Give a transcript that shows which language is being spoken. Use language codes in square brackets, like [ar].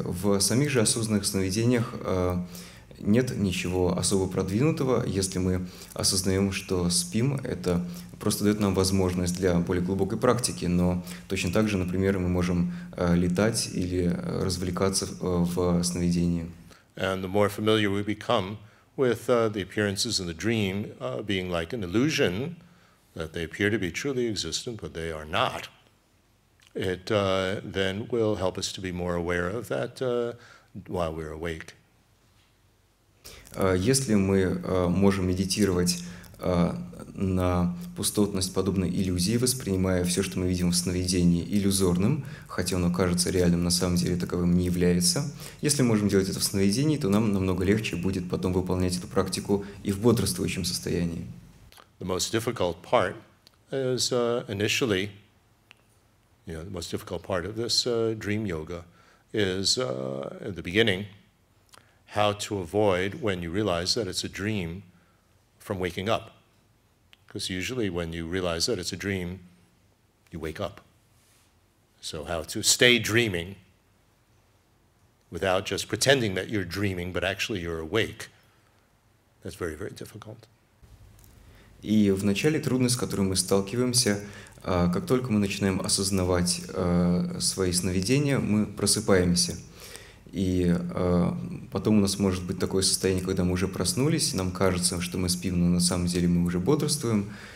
[ru] В самих же осознанных сновидениях нет ничего особо продвинутого. Если мы осознаем, что спим, это просто дает нам возможность для более глубокой практики. Но точно так же, например, мы можем летать или развлекаться в сновидении. [en] And the more familiar we become with the appearances in the dream being like an illusion, that they appear to be truly existent, but they are not, it then will help us to be more aware of that while we're awake. [ru] Если мы можем медитировать на пустотность подобной иллюзии, воспринимая все, что мы видим в сновидении, иллюзорным, хотя оно кажется реальным, на самом деле таковым не является, если мы можем делать это в сновидении, то нам намного легче будет потом выполнять эту практику и в бодрствующем состоянии. [en] The most difficult part is initially, the most difficult part of this dream yoga is at the beginning, how to avoid when you realize that it's a dream from waking up. Because usually when you realize that it's a dream, you wake up. So how to stay dreaming without just pretending that you're dreaming, but actually you're awake, that's very, very difficult. [ru] И вначале трудность, с которой мы сталкиваемся, как только мы начинаем осознавать свои сновидения, мы просыпаемся. И потом у нас может быть такое состояние, когда мы уже проснулись, нам кажется, что мы спим, но на самом деле мы уже бодрствуем.